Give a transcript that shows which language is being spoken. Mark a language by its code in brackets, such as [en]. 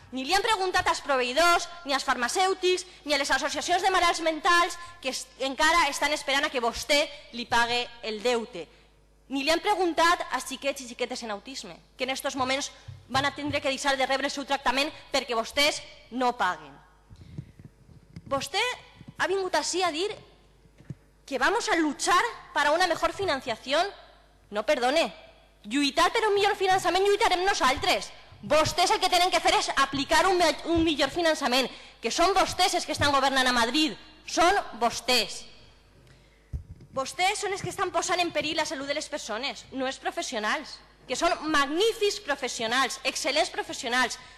[ca] Ni li han preguntat als proveïdors, ni als farmacèutics, ni a les associacions de malalts mentals que encara estan esperant a que vostè li pague el deute. Ni li han preguntat als xiquets i xiquetes en autisme, que en aquests moments van haver de deixar de rebre el seu tractament perquè vostès no paguen. Vostè ha vingut així a dir que [es] vamos a luchar para una mejor financiación. [ca] No, perdone, lluitar per un millor finançament lluitarem nosaltres. Vostès el que tenen que fer és aplicar un millor finançament, que són vostès els que estan governant a Madrid, són vostès. Vostès són els que estan posant en perill la salut de les persones, no els professionals, que són magnífics professionals, excel·lents professionals.